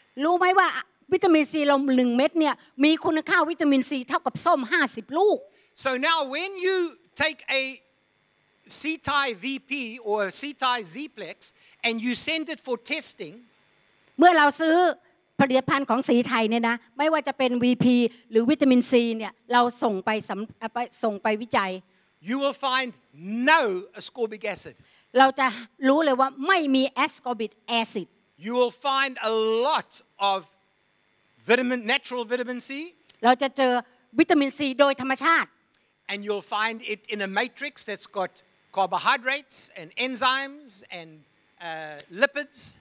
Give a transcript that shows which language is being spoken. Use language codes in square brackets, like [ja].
[th] รู้ไหมว่าวิตามินซีลม1เม็ดเนี่ยมีคุณค่าวิตามินซีเท่ากับส้ม50ลูก [en] So now when you take a Srithai VP or a Srithai Z-plex and you send it for testing [th] เมื่อเราซื้อผลิตภัณฑ์ของสีไทยเนี่ยนะไม่ว่าจะเป็น VP หรือวิตามินซีเนี่ยเราส่งไปวิจัย [en] You will find no ascorbic acid [th] เราจะรู้เลยว่าไม่มีแอสคอร์บิกแอซิด [en] You will find a lot of vitamin natural vitamin C [th] เราจะเจอวิตามินซีโดยธรรมชาติ [en] And you'll find it in a matrix that's got carbohydrates and enzymes and lipids